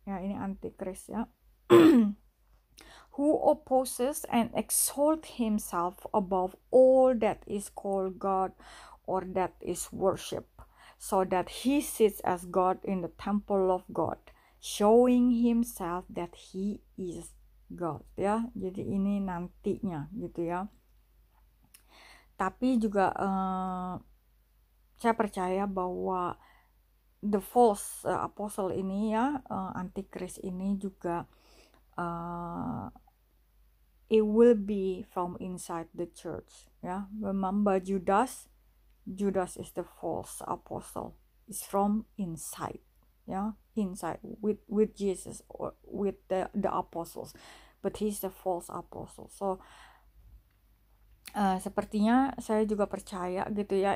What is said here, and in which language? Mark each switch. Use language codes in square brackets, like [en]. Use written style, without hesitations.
[id] Ya, ini [en] antichrist ya. Who opposes and exalts himself above all that is called God or that is worshipped, so that he sits as God in the temple of God, showing himself that he is God. [id] Ya, jadi ini nantinya gitu ya. Tapi juga saya percaya bahwa [en] the false apostle [id] ini ya, antichrist ini juga [en] it will be from inside the church. Yeah, remember Judas. Judas is the false apostle. It's from inside. Yeah, inside with Jesus or with the apostles, but he's the false apostle. [id] So, sepertinya saya juga percaya gitu ya.